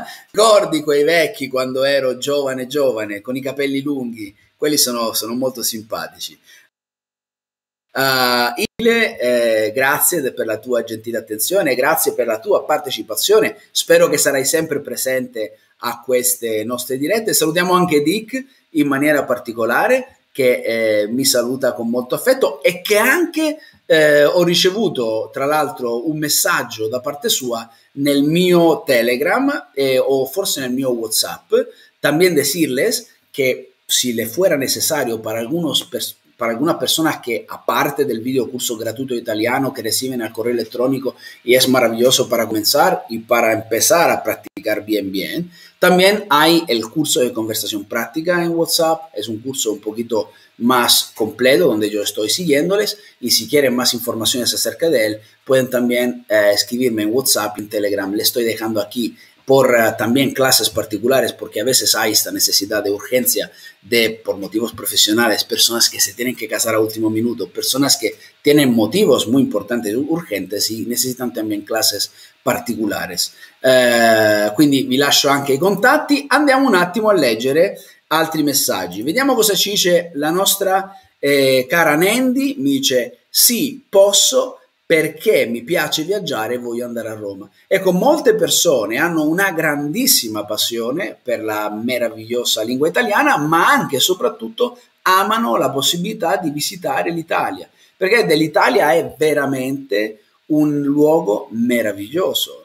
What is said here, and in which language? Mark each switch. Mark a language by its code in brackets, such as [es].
[it] Ricordi quei vecchi quando ero giovane, con i capelli lunghi, quelli sono molto simpatici. Grazie per la tua gentile attenzione, grazie per la tua partecipazione, spero che sarai sempre presente a queste nostre dirette. Salutiamo anche Dick in maniera particolare, che mi saluta con molto affetto e che anche ho ricevuto, tra l'altro, un messaggio da parte sua nel mio Telegram o forse nel mio WhatsApp, [es] también decirles che se le fuera necessario per algunos para alguna persona que aparte del video curso gratuito de italiano que reciben al correo electrónico y es maravilloso para comenzar y para empezar a practicar bien bien, también hay el curso de conversación práctica en WhatsApp, es un curso un poquito más completo donde yo estoy siguiéndoles y si quieren más informaciones acerca de él pueden también escribirme en WhatsApp, en Telegram, le estoy dejando aquí por también clases particulares, porque a veces hay esta necesidad de urgencia de, por motivos profesionales, personas que se tienen que casar a último minuto, personas que tienen motivos muy importantes y urgentes y necesitan también clases particulares. [it] Quindi vi lascio anche i contatti. Andiamo un attimo a leggere altri messaggi. Vediamo cosa ci dice la nostra cara Nandy. Mi dice, sì, posso, perché mi piace viaggiare e voglio andare a Roma. Ecco, molte persone hanno una grandissima passione per la meravigliosa lingua italiana, ma anche e soprattutto amano la possibilità di visitare l'Italia, perché dell'Italia è veramente un luogo meraviglioso.